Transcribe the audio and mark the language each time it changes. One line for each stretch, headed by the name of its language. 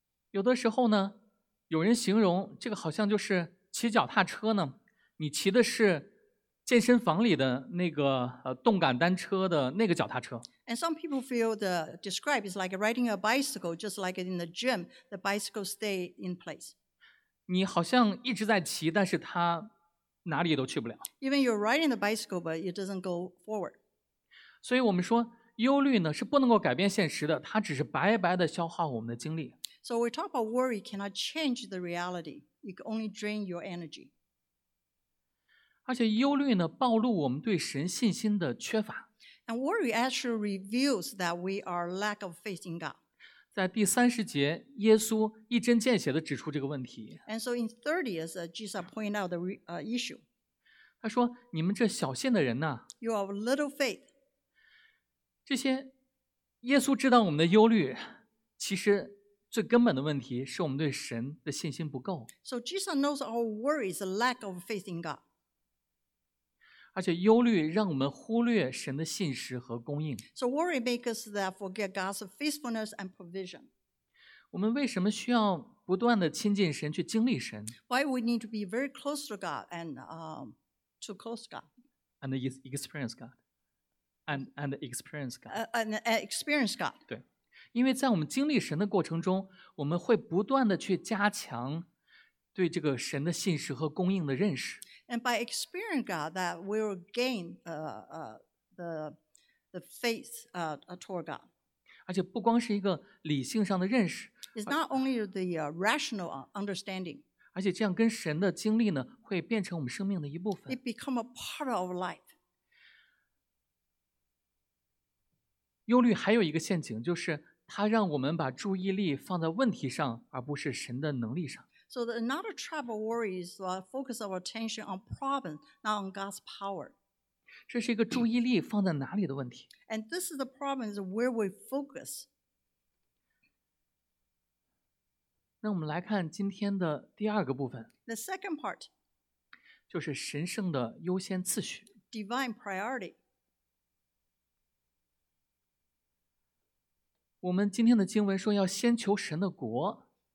Chinese: 有的时候呢，有人形容这个好像就是骑脚踏车呢，你骑的是。健身房里的那个动感单车的那个脚踏车。
English: And some people feel the describe is like riding a bicycle, just like in the gym, the bicycle stay in place.
Chinese: 你好像一直在骑，但是它哪里都去不了。
English: Even you're riding the bicycle, but it doesn't go forward.
Chinese: 所以我们说，忧虑呢是不能够改变现实的，它只是白白的消耗我们的精力。
English: So we talk about worry cannot change the reality. It can only drain your energy.
Chinese: 而且忧虑呢，暴露我们对神信心的缺乏。
English: And worry actually reveals that we are lack of faith in God.
Chinese: 在第三十节，耶稣一针见血地指出这个问题。
English: And so in 30, as Jesus pointed out the issue.
Chinese: 他说：“你们这小信的人呢
English: ？”You are little faith.
Chinese: 这些耶稣知道我们的忧虑，其实最根本的问题是我们对神的信心不够。
English: So Jesus knows our worries, the lack of faith in God.
Chinese: 而且忧虑让我们忽略神的信实和供应。
English: So worry makes us that forget God's faithfulness and provision.
Chinese: 我们为什么需要不断的亲近神，去经历神
English: ？Why we need to be very close to God and to close God and experience God and experience God and experience God.
Chinese: 对。因为在我们经历神的过程中，我们会不断的去加强对这个神的信实和供应的认识。
English: And by experiencing God, that we will gain the faith toward God.
Chinese: 而且不光是一个理性上的认识。
English: It's not only the rational understanding.
Chinese: 而且这样跟神的经历呢，会变成我们生命的一部分。
English: It become a part of life.
Chinese: 忧虑还有一个陷阱，就是它让我们把注意力放在问题上，而不是神的能力上。
English: So another trap of worry is to focus our attention on problems, not on God's power.
Chinese: 这是一个注意力放在哪里的问题。
English: And this is the problem is where we focus.
Chinese: 那我们来看今天的第二个部分。
English: The second part.
Chinese: 就是神圣的优先次序。
English: Divine priority.
Chinese: 我们今天的经文说要先求神的国。